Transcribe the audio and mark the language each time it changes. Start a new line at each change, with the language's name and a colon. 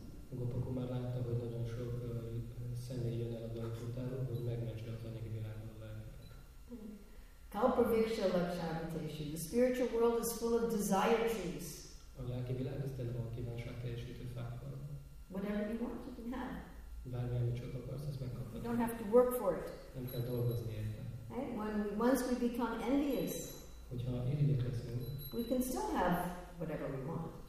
Hungarian: Gopakumar látta, hogy nagyon sok személy jön el a Vaikunthába, hogy megmentse az anyagi világban a lelkeket.
Sanskrit: Kalpaviksha lakshavitesi.
English: The spiritual world is full of desire trees.
Hungarian: A lelki világ is tele van kívánság teljesítő fákkal.
English: Whatever you want, you can have.
Hungarian: Bármi, akarsz,
English: you don't have to work for it.
Hungarian: Nem kell dolgozni érte.
English: Right? Once we become envious,
Hungarian: hogyha irigyek leszünk,
English: we can still have whatever we want.